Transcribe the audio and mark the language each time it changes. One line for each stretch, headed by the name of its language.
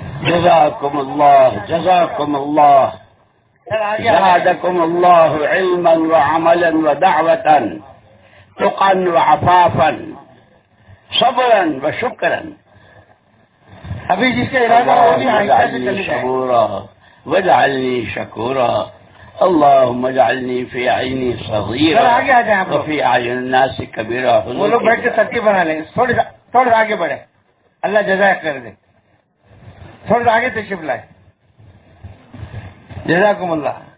Arabic: ஜஸாக்கும் அல்லாஹ் زادكم الله علما وعملا ودعوة تقا وعفافا صبرا وشكرا
Urdu: ابھی جس کا ارادہ ہو گیا
Arabic: اجعلني شكورا واجعلني شكورا اللهم اجعلني في عيني صغيرا وفي اعين الناس كبيرا۔
Urdu: وہ لوگ بیٹھ کے ترتیب بنا لیں، تھوڑے تھوڑے آگے بڑھے، اللہ جزائے کر دے، تھوڑے آگے تشریف لائے، جزاکم اللہ۔